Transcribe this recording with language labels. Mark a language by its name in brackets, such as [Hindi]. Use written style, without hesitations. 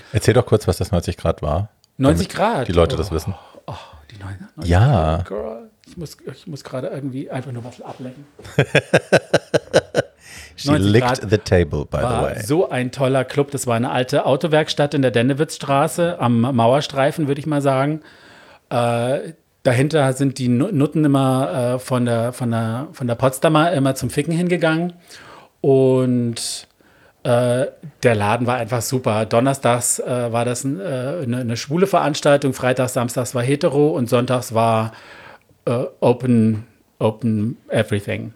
[German] Erzähl doch kurz, was das 90 Grad war. 90 Grad? Die Leute das wissen. Oh, die 90 Grad. Ja. [English] Girl, [German] ich muss gerade irgendwie einfach nur was ablenken. [English] She licked the table, by the way. [German] So ein toller Club. Das war eine alte Autowerkstatt in der Dennewitzstraße am Mauerstreifen, würde ich mal sagen. Dahinter sind die Nutten immer von der Potsdamer immer zum Ficken hingegangen. Und Der Laden war einfach super. Donnerstags war das eine schwule Veranstaltung, freitags, samstags war hetero und sonntags war [English] open everything.